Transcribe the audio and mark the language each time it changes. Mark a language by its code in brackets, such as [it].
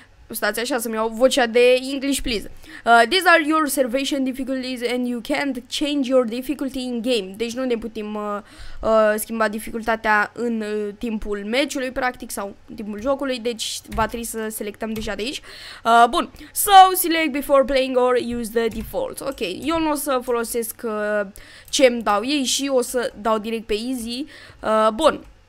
[ro] Stați așa să-mi iau vocea de [en] English, please. These are your observation difficulties and you can't change your difficulty in game. [ro] Deci nu ne putem schimba dificultatea în timpul meciului, practic, sau în timpul jocului. Deci va trebui să selectăm deja de aici. Bun. [en] So, select before playing or use the default. [ro] Ok, eu nu o să folosesc ce-mi dau ei și o să dau direct pe easy. Bun.